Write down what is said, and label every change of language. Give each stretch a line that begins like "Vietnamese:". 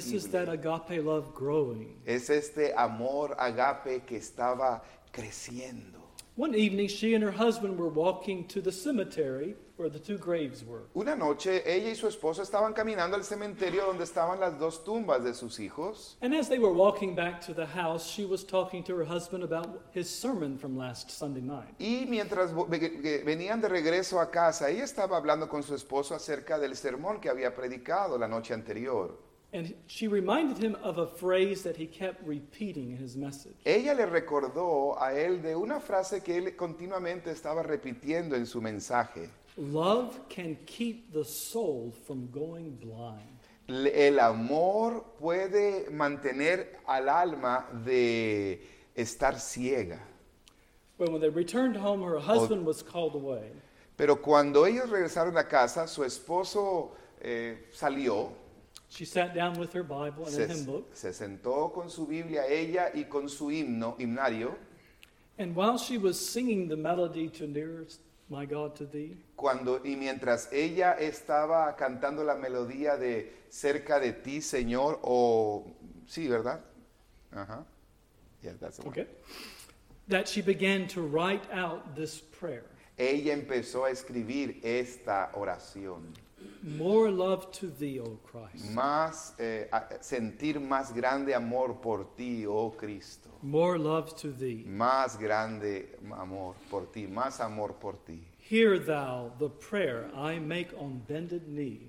English: This is that agape love growing.
Spanish: Es este amor agape que estaba creciendo.
English: One evening, she and her husband were walking to the cemetery where the two graves were.
Spanish: Una noche, ella y su esposo estaban caminando al cementerio donde estaban las dos tumbas de sus hijos.
English: And as they were walking back to the house, she was talking to her husband about his sermon from last Sunday night.
Spanish: Y mientras venían de regreso a casa, ella estaba hablando con su esposo acerca del sermón que había predicado la noche anterior.
English: And she reminded him of a phrase that he kept repeating in his message.
Spanish: Ella le recordó a él de una frase que él continuamente estaba repitiendo en su mensaje.
English: Love can keep the soul from going blind.
Spanish: El amor puede mantener al alma de estar ciega.
English: But when they returned home, her husband was called away.
Spanish: Pero cuando ellos regresaron a casa, su esposo salió.
English: She sat down with her Bible and a hymn book.
Spanish: Se sentó con su Biblia, ella, y con su himnario.
English: And while she was singing the melody to Nearest My God to Thee.
Spanish: Y mientras ella estaba cantando la melodía de Cerca de Ti, Señor, sí, ¿verdad?
English: Uh-huh. Yeah, that's the one. Okay. That she began to write out this prayer.
Spanish: Ella empezó a escribir esta oración.
English: More love to thee, O Christ.
Spanish: Más sentir más grande amor por ti, oh Cristo.
English: More love to thee.
Spanish: Más grande amor por ti, más amor por ti.
English: Hear thou the prayer I make on bended knee.